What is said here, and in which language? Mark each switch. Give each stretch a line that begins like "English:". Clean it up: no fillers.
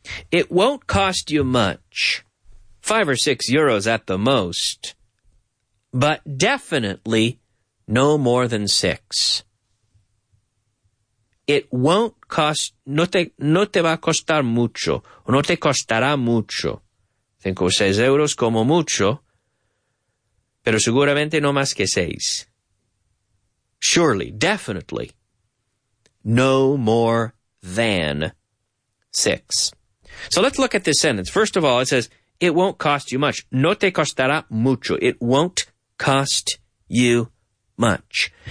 English: It won't cost you much, 5 or 6 euros at the most, but definitely no more than 6. It won't cost,
Spanish: no te va a costar mucho, o no te costará mucho, 5 o 6 euros como mucho, pero seguramente no más que 6.
English: Surely, definitely, no more than 6. So let's look at this sentence. First of all, it says, it won't cost you much.
Spanish: No te costará mucho.
English: It won't cost you much.